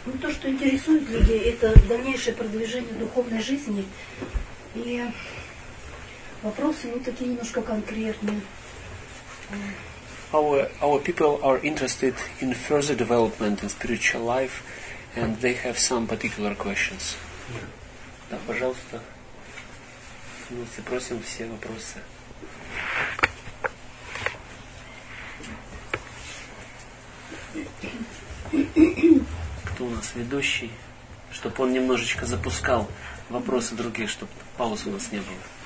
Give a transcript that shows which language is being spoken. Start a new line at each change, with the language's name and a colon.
Russian: что интересует людей, это дальнейшее продвижение духовной жизни. И вопросы вот такие немножко конкретные.
English: Our people are interested in further development in spiritual life, and they have some particular questions.
Russian: Да, пожалуйста. Мы запросим все вопросы. Кто у нас ведущий? Чтоб он немножечко запускал вопросы другие, чтоб пауз у нас не было.